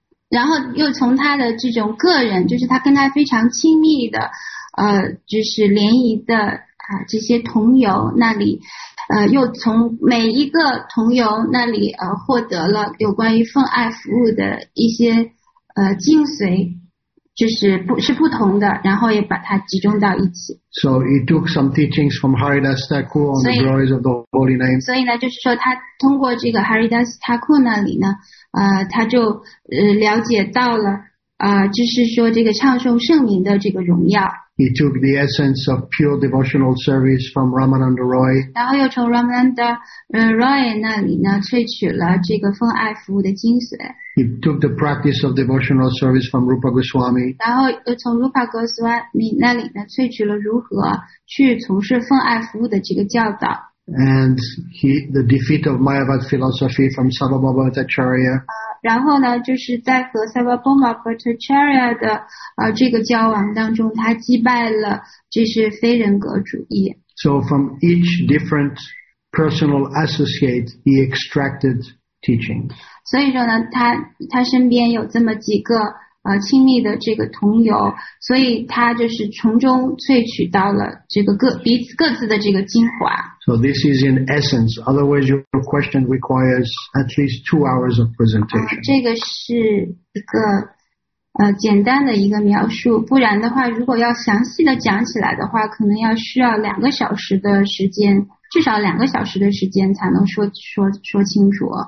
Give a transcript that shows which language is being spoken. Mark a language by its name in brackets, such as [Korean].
[Chinese] 然后又从他的这种个人，就是他跟他非常亲密的，就是联谊的这些同友那里，又从每一个同友那里获得了有关于奉爱服务的一些精髓，就是不同的，然后也把它集中到一起。 [English] So he took some teachings from Haridas Thakur on the glories of the holy name. [Chinese] 所以呢，就是说他通过这个 Haridas Thakur 那里呢。他就了解到了就是说这个唱诵圣名的这个荣耀。 [English] He took the essence of pure devotional service from Ramananda Roy. [Chinese] 然后又从 Ramananda Roy 那里呢萃取了这个奉爱服务的精髓。 [English] He took the practice of devotional service from Rupa Goswami. [Chinese] 然后又从 Rupa Goswami 那里呢萃取了如何去从事奉爱服务的这个教导。 [English] And the defeat of Mayavad philosophy from Sarvabhauma Bhattacharya. [Chinese] 然后呢，就是在和 Sarvabhauma Bhattacharya 的这个交往当中，他击败了就是非人格主义。 [English] So from each different personal associate, he extracted teachings. [Chinese] 所以说呢，他身边有这么几个亲密的这个同友，所以他就是从中萃取到了这个各自的这个精华。 [English] So this is in essence. Otherwise, your question requires at least 2 hours of presentation. [Chinese] 这个是一个简单的一个描述，不然的话，如果要详细的讲起来的话，可能要需要两个小时的时间，至少两个小时的时间才能说清楚。